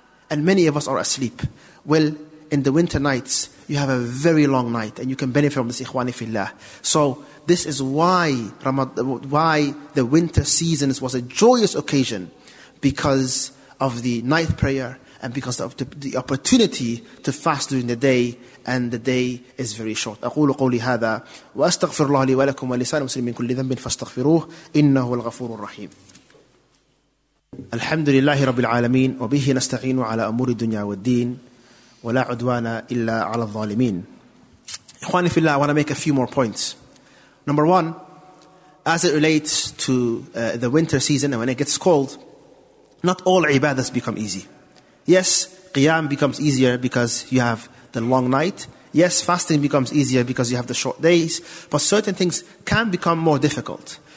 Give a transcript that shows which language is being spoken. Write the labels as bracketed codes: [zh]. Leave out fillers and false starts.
[en] And many of us are asleep. Well, in the winter nights, you have a very long night and you can benefit from this, ikhwani fillah. So this is why the winter seasons was a joyous occasion, because of the night prayer and because of the opportunity to fast during the day, and the day is very short. [ar] أقول قولي هذا وأستغفر الله لي ولكم ولسان المسلمين كل ذنب فاستغفروه إنه الغفور الرحيم. الحمد لله رب العالمين وبه نستعين على أمور الدنيا والدين ولا عدوان إلا على الظالمين. إخواني في الله, [en] I want to make a few more points. Number one, as it relates to the winter season and when it gets cold, not all ibadahs become easy. Yes, qiyam becomes easier because you have the long night. Yes, fasting becomes easier because you have the short days. But certain things can become more difficult.